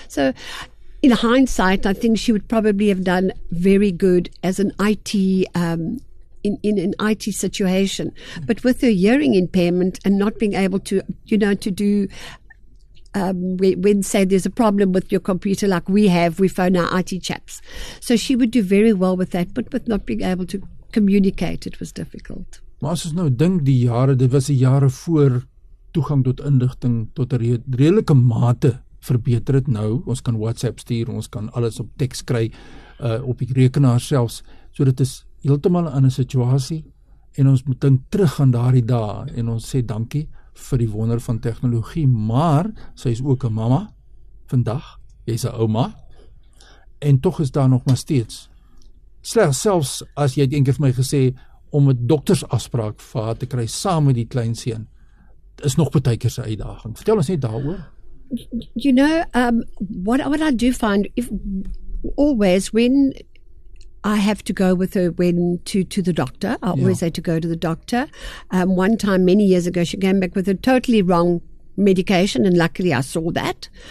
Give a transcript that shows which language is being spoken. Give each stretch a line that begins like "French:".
English: So in hindsight, I think she would probably have done very good as an IT, in an IT situation. But with her hearing impairment and not being able to, you know, to do, when say there's a problem with your computer like we have, we phone our IT chaps. So she would do very well with that, but with not being able to communicate, it was difficult.
Afrikaans: Maar as ons nou dink die jare, dit was die jare voor toegang tot inligting tot 'n redelike mate verbeter het nou. Ons kan WhatsApp stuur, ons kan alles op teks kry, op die rekenaar selfs. So dit is heeltemal 'n ander situasie en ons moet dink terug aan daardie dae en ons sê dankie vir die wonder van tegnologie, maar sy is ook 'n mamma vandag, jy's 'n ouma en tog is daar nog maar steeds. Slegs selfs as jy het een keer vir my gesê, om 'n doktersafspraak vir haar te kry saam met die kleinseun is nog baie keer 'n uitdaging. Vertel ons net daaroor.
English: You know, what I do find, if always when I have to go with her when to the doctor, I always say to go to the doctor. One time many years ago she came back with a totally wrong medication, and luckily I saw that.